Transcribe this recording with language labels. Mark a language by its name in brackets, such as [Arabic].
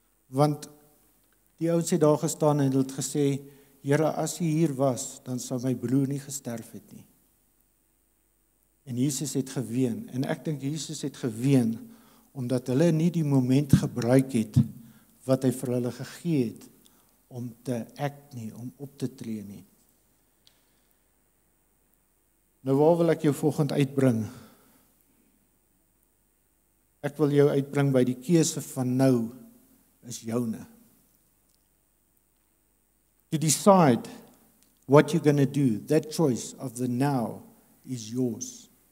[Afrikaans] Want die ouens het daar gestaan en het gesê, Here, as u hier was, dan sou my broer nie gesterf het nie. En Jesus het geween, en ek dink Jesus het geween, omdat hulle nie die moment gebruik het, wat hy vir hulle gegee het, om te act nie, om op te tree nie. Nou waar wil ek jou volgend uitbring? Ek wil jou uitbring by die keuse van nou is joune. [English] To decide what you're going to do, that choice of the now is yours.